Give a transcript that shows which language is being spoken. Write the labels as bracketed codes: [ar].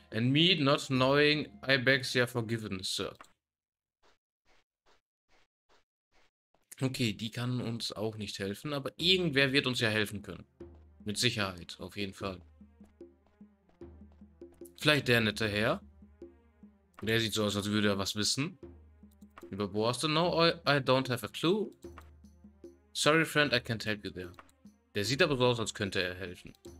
[en] And me not knowing, I beg your forgiveness, sir. [de] Okay, die kann uns auch nicht helfen, aber irgendwer wird uns ja helfen können. Mit Sicherheit, auf jeden Fall. Vielleicht der nette Herr. Der sieht so aus, als würde er was wissen. [en] Über Boaste, no, I don't have a clue. Sorry, friend, I can't help you there. [de] Der sieht aber so aus, als könnte er helfen.